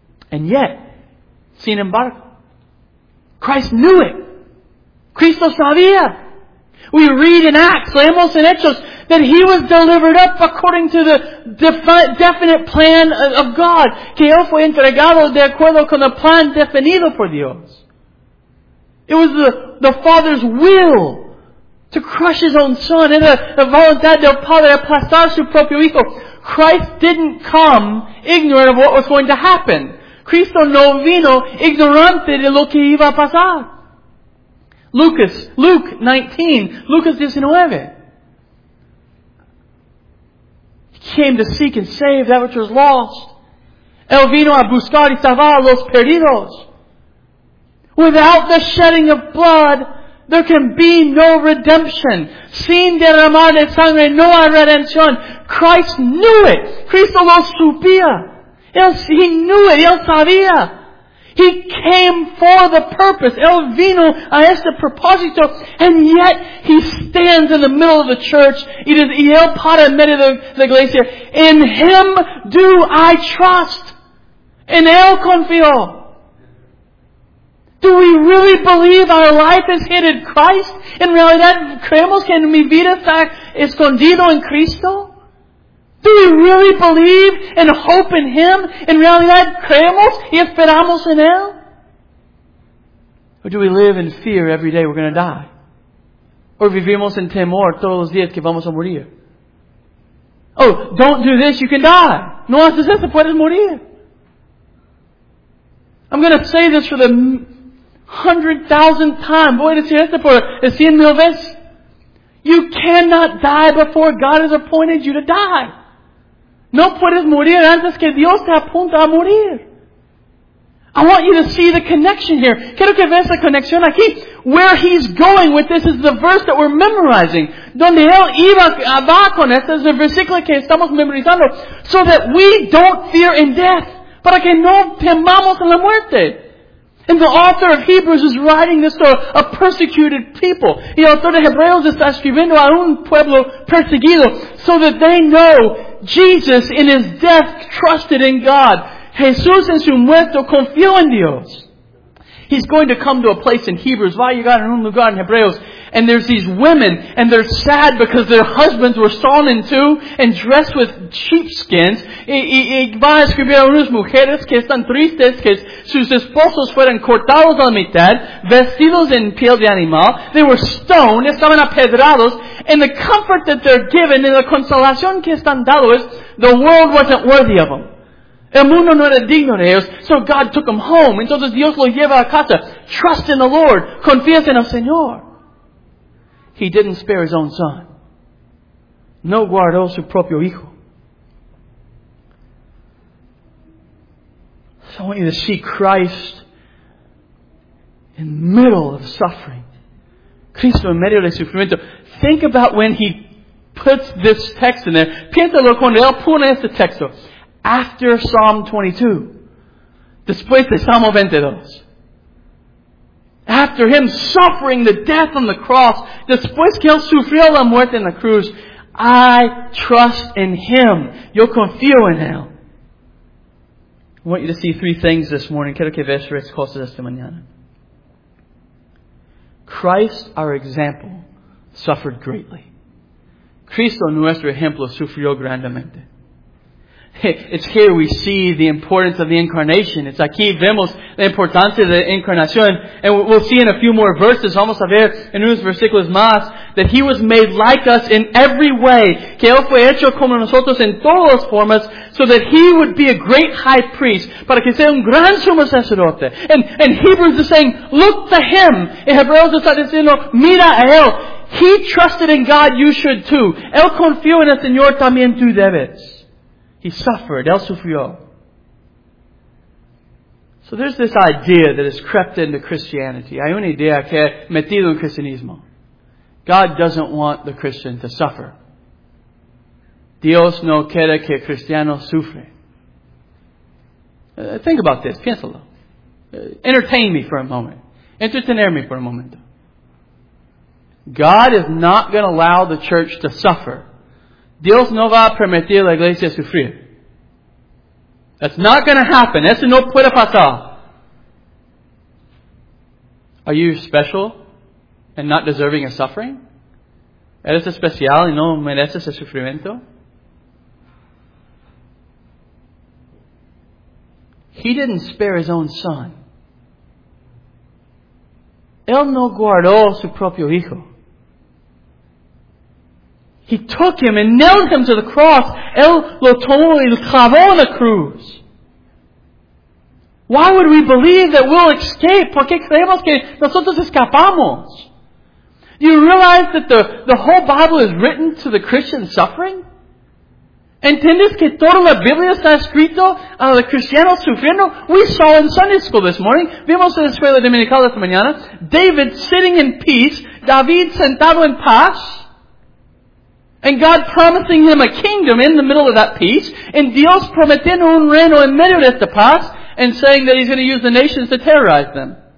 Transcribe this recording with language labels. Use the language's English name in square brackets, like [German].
[English] And yet, [Spanish] sin embargo, [English] Christ knew it. [Spanish] Cristo sabía. [English] We read in Acts, [Spanish] leemos en Hechos, [English] that he was delivered up according to the definite plan of God. [Spanish] Que él fue entregado de acuerdo con el plan definido por Dios. [English] It was the Father's will to crush his own son. [Spanish] Era la voluntad del Padre aplastar su propio hijo. [English] Christ didn't come ignorant of what was going to happen. [Spanish] Cristo no vino ignorante de lo que iba a pasar. Lucas 19. [English] He came to seek and save that which was lost. [Spanish] Él vino a buscar y salvar a los perdidos. [English] Without the shedding of blood, there can be no redemption. [Spanish] Sin derramar de sangre, no hay redención. [English] Christ knew it. [Spanish] Cristo lo supía. [English] He knew it. [Spanish] Él sabía. [English] He came for the purpose. [Spanish] Él vino a este propósito. [English] And yet, he stands in the middle of the church. [Spanish] Y él para en medio de la iglesia. [English] In him do I trust. [Spanish] En él confío. [English] Do we really believe our life is hidden in Christ? [Spanish] En realidad, ¿creemos que mi vida está escondido en Cristo? [English] Do we really believe and hope in Him? [Spanish] En realidad, ¿creemos y esperamos en Él? [English] Or do we live in fear every day we're going to die? [Spanish] Or vivimos en temor todos los días que vamos a morir? [English] Oh, don't do this, you can die. [Spanish] No haces eso, puedes morir. [English] I'm going to say this for the 100,000th time. [Spanish] Voy a decir esto por 100,000 veces. [English] You cannot die before God has appointed you to die. [Spanish] No puedes morir antes que Dios te apunta a morir. [English] I want you to see the connection here. [Spanish] Quiero que veas la conexión aquí. [English] Where he's going with this is the verse that we're memorizing. [Spanish] Donde él iba a va con esto es el versículo que estamos memorizando. [English] So that we don't fear in death. [Spanish] Para que no temamos en la muerte. [English] And the author of Hebrews is writing this to a persecuted people. [Spanish] Y el autor de Hebreos está escribiendo a un pueblo perseguido [English] so that they know Jesus in his death trusted in God. [Spanish] Jesús en su muerte confió en Dios. [English] He's going to come to a place in Hebrews, [Spanish] va a llegar en un lugar en Hebreos, [English] and there's these women, and they're sad because their husbands were sawn in two and dressed with sheepskins. [Spanish] Y va a escribir a unas mujeres que están tristes, que sus esposos fueron cortados a la mitad, vestidos en piel de animal. [English] They were stoned, [Spanish] estaban apedrados, [English] and the comfort that they're given and the [Spanish] consolación que están dado [English] is the world wasn't worthy of them. [Spanish] El mundo no era digno de ellos, [English] so God took them home. [Spanish] Entonces Dios los lleva a casa. [English] Trust in the Lord. [Spanish] Confías en el Señor. [English] He didn't spare his own son. [Spanish] No guardó su propio hijo. [English] So I want you to see Christ in the middle of suffering. [Spanish] Cristo en medio de sufrimiento. [English] Think about when he puts this text in there. [Spanish] Piénsalo cuando él pone este texto. [English] After Psalm 22. [Spanish] Después de Salmo 22. [English] After him suffering the death on the cross. [Spanish] Después que él sufrió la muerte en la cruz. [English] I trust in him. [Spanish] Yo confío en él. [English] I want you to see three things this morning. [Spanish] Quiero que veas tres cosas esta mañana. [English] Christ, our example, suffered greatly. [Spanish] Cristo, nuestro ejemplo, sufrió grandemente. [English] It's here we see the importance of the incarnation. [Spanish] It's aquí vemos la importancia de la encarnación. [English] And we'll see in a few more verses, [Spanish] vamos a ver en unos versículos más, [English] that He was made like us in every way, [Spanish] que Él fue hecho como nosotros en todas las formas, [English] so that He would be a great high priest, [Spanish] para que sea un gran sumo sacerdote. [English] And Hebrews is saying, look to Him. [Spanish] En Hebreos está diciendo, mira a Él. [English] He trusted in God, you should too. [Spanish] Él confió en el Señor, también tú debes. [English] He suffered. [Spanish] Él sufrió. [English] So there's this idea that has crept into Christianity. [Spanish] Hay una idea que ha metido en cristianismo. [English] God doesn't want the Christian to suffer. [Spanish] Dios no quiere que el cristiano sufra. [English] Think about this. [Spanish] Piénsalo. [English] Entertain me for a moment. Entretener me for a moment. God is not going to allow the church to suffer. [Spanish] Dios no va a permitir la iglesia sufrir. [English] That's not going to happen. [Spanish] Eso no puede pasar. [English] Are you special and not deserving of suffering? [Spanish] ¿Eres especial y no mereces el sufrimiento? [English] He didn't spare His own Son. [Spanish] Él no guardó su propio Hijo. [English] He took Him and nailed Him to the cross. [Spanish] Él lo tomó y lo clavó en la cruz. [English] Why would we believe that we'll escape? [Spanish] ¿Por qué creemos que nosotros escapamos? [English] Do you realize that the whole Bible is written to the Christian suffering? [Spanish] ¿Entiendes que toda la Biblia está escrito a los cristianos sufriendo? [English] We saw in Sunday school this morning, [Spanish] vimos en la escuela dominical esta mañana, [English] David sitting in peace, [Spanish] David sentado en paz, [English] and God promising him a kingdom in the middle of that peace, and [Spanish] Dios prometiendo un reino en medio de esta paz, [English] and saying that He's going to use the nations to terrorize them.